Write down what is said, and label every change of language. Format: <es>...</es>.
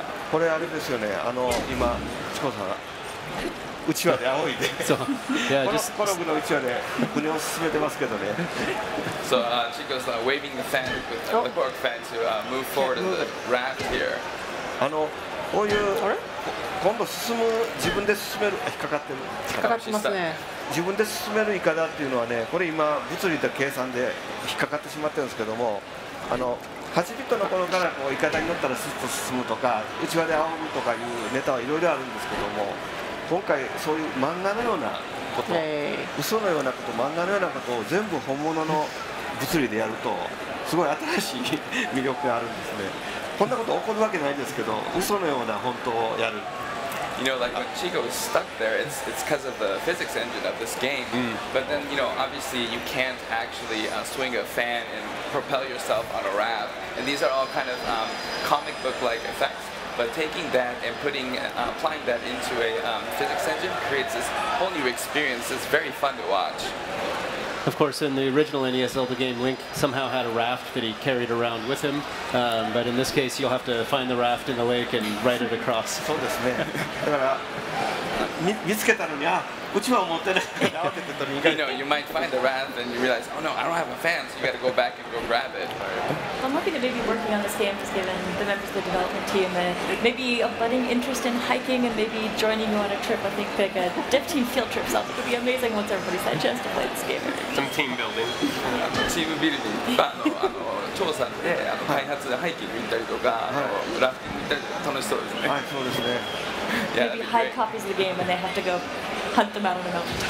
<ja>これあれですよね、今チコさんがうちわで仰いで、そう、この僕のうちわで船を進めてますけどね。</ja> <en>So, Chico's waving the fan with the cork fan to move forward in the raft here.</en> <ja>こういう今度進む、自分で進める、引っかかってる、引っかかってますね。自分で進めるイカダっていうのはね、これ今物理で計算で引っかかってしまってるんですけども、8ビットの頃からこうイカダに乗ったらスッと進むとか、うちわで仰ぐとかいうネタはいろいろあるんですけども、今回そういう漫画のようなこと、嘘のようなこと、漫画のようなことを全部本物の物理でやると、すごい新しい魅力があるんですね。こんなこと起こるわけないですけど、嘘のような本当をやる。</ja> <en>You know, like when Chico was stuck there, it's because of the physics engine of this game. Mm. But then, you know, obviously you can't actually swing a fan and propel yourself on a raft. And these are all kind of comic book-like effects. But taking that and applying that into a physics engine creates this whole new experience. It's very fun to watch. Of course, in the original NES Zelda game, Link somehow had a raft that he carried around with him. But in this case, you'll have to find the raft in the lake and ride it across.</en> <ja>そうですね。だから、見つけたのに、あ、うちわを持ってない。</ja> <en>You know, you might find the raft and you realize, oh no, I don't have a fan, so you got to go back and go grab it. I'm hoping to maybe working on this game, just given the members of the development team, and maybe a budding interest in hiking and maybe joining you on a trip. I think like a dev team field trip sounds like it would be amazing once everybody's had a chance to play this game. Some team building. Team building.</en> <ja>Chou さんで開発でハイキング行ったりとか、ラフティング行ったりとか楽しそうですね。はい、そうですね。</ja> <en>Maybe hide copies of the game and they have to go hunt them out on the mountain.</en>